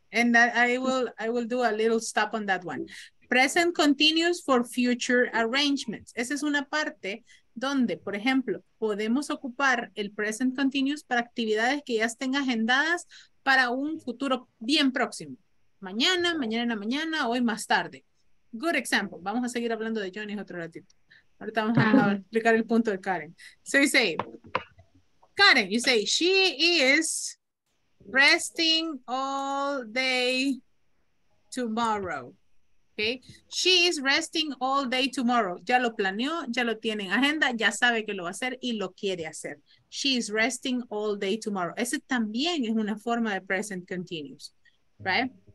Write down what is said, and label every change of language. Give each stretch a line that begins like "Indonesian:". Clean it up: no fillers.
English: And I will do a little stop on that one. Present continuous for future arrangements.
Spanish: Esa es una parte donde, por ejemplo, podemos ocupar el present continuous para actividades que ya estén agendadas para un futuro bien próximo. Mañana, mañana en la mañana, hoy más tarde. Good example. Vamos a seguir hablando de Johnny otro ratito. Ahorita vamos a explicar el punto de Karen.
English: So you say, Karen, you say, she is resting all day tomorrow. Okay. She is resting all day tomorrow.
Spanish: Ya lo planeó, ya lo tiene en agenda, ya sabe que lo va a hacer y lo quiere hacer.
English: She is resting all day tomorrow.
Spanish: Ese también es una forma de
English: present continuous, right?